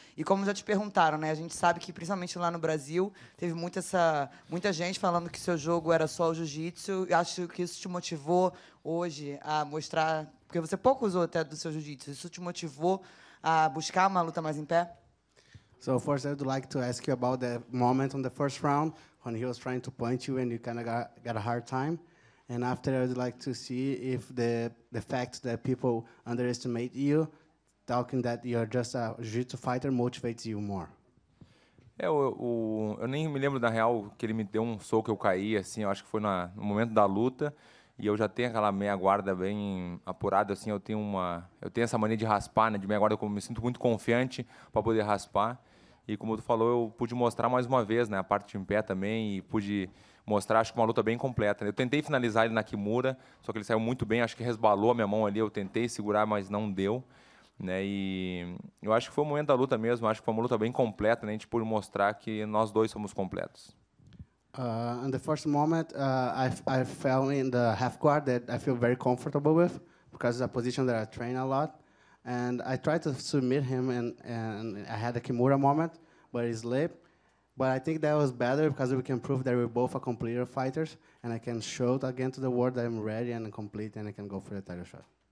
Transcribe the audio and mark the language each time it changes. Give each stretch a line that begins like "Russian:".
Portuguese: E como já te perguntaram, né, a gente sabe que, principalmente lá no Brasil, teve muita gente falando que seu jogo era só o jiu-jitsu. Eu acho que isso te motivou hoje a mostrar, porque você pouco usou até do seu jiu-jitsu, isso te motivou a buscar uma luta mais em pé?
English: So first, I would like to ask you about the moment on the first round when he was trying to punch you and you kind of got a hard time. And after, I would like to see if the fact that people underestimate you, talking that you're just a jiu-jitsu fighter, motivates you more.
Portuguese: Eu nem me lembro, na real, que ele me deu um soco, eu caí, assim, eu acho que foi no momento da luta. E eu já tenho aquela meia guarda bem apurada, assim, eu tenho essa mania de raspar, né, de meia guarda, eu me sinto muito confiante para poder raspar. E como tu falou, eu pude mostrar mais uma vez, né, a parte em pé também, e pude mostrar, acho que uma luta bem completa. Eu tentei finalizar ele na Kimura, só que ele saiu muito bem, acho que resbalou a minha mão ali, eu tentei segurar, mas não deu, né, e eu acho que foi o momento da luta mesmo, acho que foi uma luta bem completa, né, a gente pôde mostrar que nós dois somos completos.
English: In the first moment, I fell in the half guard that I feel very comfortable with because it's a position that I train a lot. And I tried to submit him, and I had a Kimura moment, but he slipped. But I think that was better because we can prove that we're both a complete fighters, and I can show it again to the world that I'm ready and complete, and I can go for the title shot.